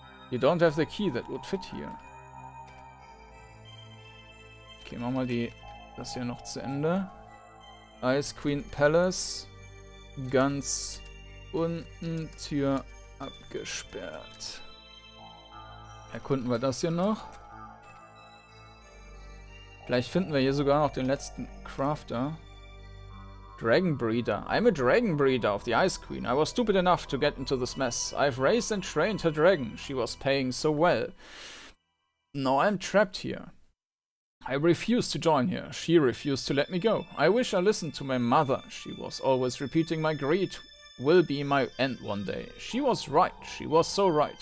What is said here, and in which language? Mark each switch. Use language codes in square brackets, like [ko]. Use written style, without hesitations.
[en] You don't have the key that would fit here. [de] Okay, machen wir mal das hier noch zu Ende. Ice Queen Palace. Ganz unten. Tür abgesperrt. Erkunden wir das hier noch. Vielleicht finden wir hier sogar noch den letzten Crafter. [en] Dragon Breeder. I'm a Dragon Breeder of the Ice Queen. I was stupid enough to get into this mess. I've raised and trained her dragon. She was paying so well. Now I'm trapped here. I refuse to join here. She refused to let me go. I wish I listened to my mother. She was always repeating my greed will be my end one day. She was right. She was so right.